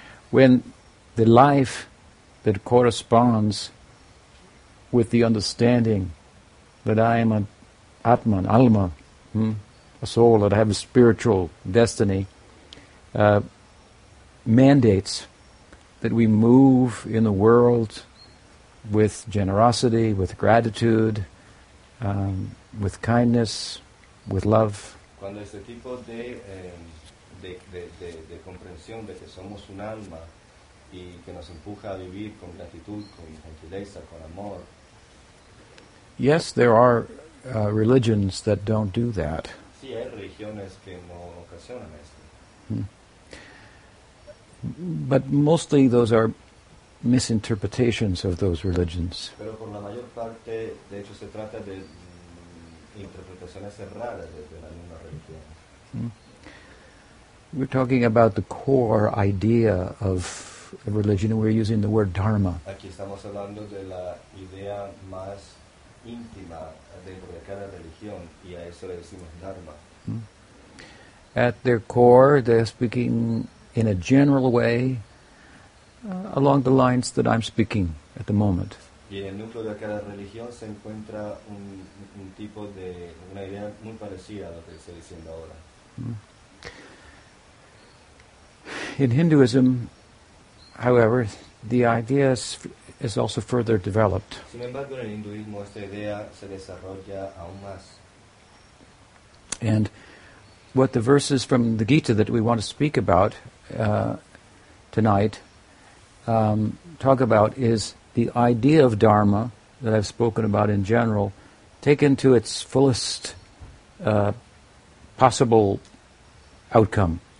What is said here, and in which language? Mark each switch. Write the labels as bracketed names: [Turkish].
[English] When the life that corresponds with the understanding that I am an Atman, Alma, a soul, that I have a spiritual destiny, mandates that we move in the world with generosity, with gratitude, with kindness, with love. [Spanish] Cuando este tipo de comprensión de que somos un alma y que nos empuja a vivir con gratitud, con gentileza, con amor. [English] Yes, there are religions that don't do that. [Spanish] Sí, hay religiones que no ocasionan esto. [English] But mostly those are misinterpretations of those religions. [Spanish] Pero por la mayor parte, de hecho, se trata de interpretaciones erradas de la misma religión. [English] We're talking about the core idea of a religion, and we're using the word dharma. [Spanish] Aquí estamos hablando de la idea más íntima dentro de cada religión, y a eso le decimos dharma. [English] At their core, they're speaking in a general way, along the lines that I'm speaking at the moment. [Spanish] Y en el núcleo de cada religión se encuentra un tipo de una idea muy parecida a lo que estoy diciendo ahora. [English] In Hinduism, however, the idea is also further developed. [Spanish] Sin embargo, en el hinduismo esta idea se desarrolla aún más. [English] And what the verses from the Gita that we want to speak about tonight talk about is the idea of dharma that I've spoken about in general, taken to its fullest possible outcome.